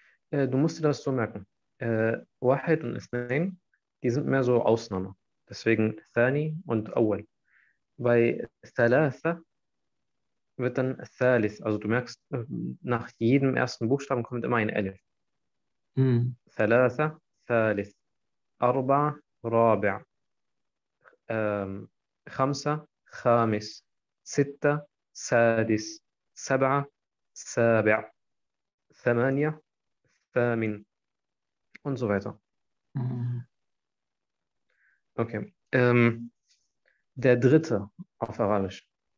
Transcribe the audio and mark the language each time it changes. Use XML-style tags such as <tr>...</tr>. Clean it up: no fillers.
<de>Du musst dir das so merken. Wahid und Athnain, die sind mehr so Ausnahme. Deswegen Thani und Awal. Bei Thalatha wird dann Thalis. Also du merkst, nach jedem ersten Buchstaben kommt immer ein Elif.</de> <ar>ثلاثة ثالث أربعة رابع خمسة خامس ستة سادس سبعة سابع ثمانية ثامن</ar> <de>und so weiter. Okay. Der dritte auf Arabisch.</de>